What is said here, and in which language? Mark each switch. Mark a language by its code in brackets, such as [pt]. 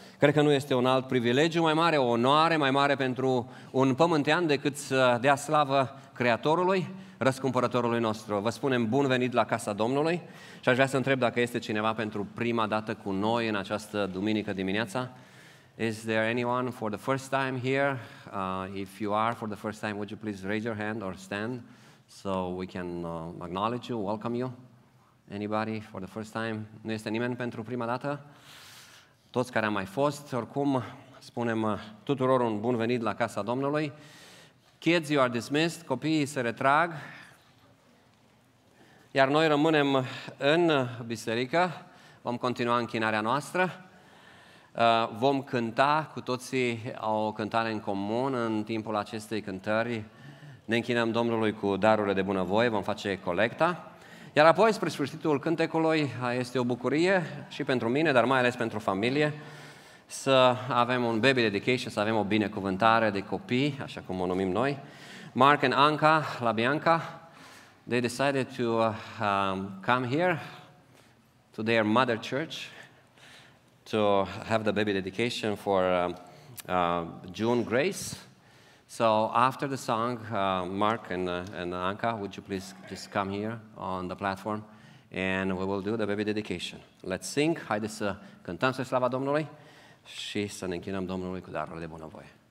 [ro] Cred că nu este un alt privilegiu mai mare, o onoare mai mare pentru un pământean decât să dea slavă Creatorului, Răscumpărătorului nostru. Vă spunem bun venit la casa Domnului și aș vrea să întreb dacă este cineva pentru prima dată cu noi în această duminică dimineața. [en] Is there anyone for the first time here? If you are for the first time, would you please raise your hand or stand so we can acknowledge you, welcome you? Anybody for the first time? [ro] Nu este nimeni pentru prima dată? Toți care am mai fost, oricum, spunem tuturor un bun venit la casa Domnului. [en] Kids, you are dismissed. [ro] Copiii se retrag. Iar noi rămânem în biserică. Vom continua închinarea noastră. Vom cânta cu toții o cântare în comun în timpul acestei cântări. Ne închinăm Domnului cu darurile de bunăvoie. Vom face colecta. Iar apoi, spre sfârșitul cântecului, este o bucurie și pentru mine, dar mai ales pentru familie, să avem un [en] baby dedication, [ro] să avem o binecuvântare de copii, așa cum o numim noi. [en] Mark and Anca, la Bianca, they decided to come here to their mother church to have the baby dedication for June Grace. So after the song, Mark and Anca, would you please just come here on the platform and we will do the baby dedication. Let's sing. [ro] Haide să cântăm spre slava Domnului și să ne închinăm Domnului cu darurile de bunăvoie.